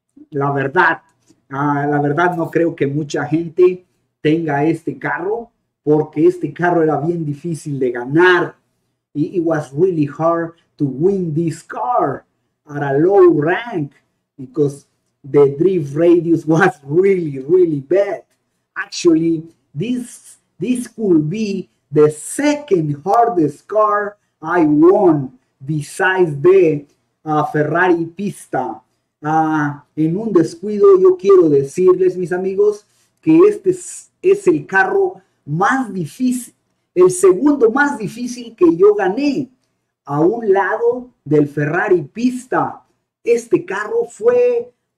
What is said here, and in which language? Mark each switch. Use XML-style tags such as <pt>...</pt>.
<es>La verdad no creo que mucha gente tenga este carro, porque este carro era bien difícil de ganar.</es> <en>It was really hard to win this car. At a low rank, because the drift radius was really, really bad. Actually, this could be the second hardest car I won besides the Ferrari Pista.</en> <es>En un descuido, yo quiero decirles, mis amigos, que este es el carro más difícil, el segundo más difícil que yo gané. A un lado del Ferrari Pista. Este carro fue</es>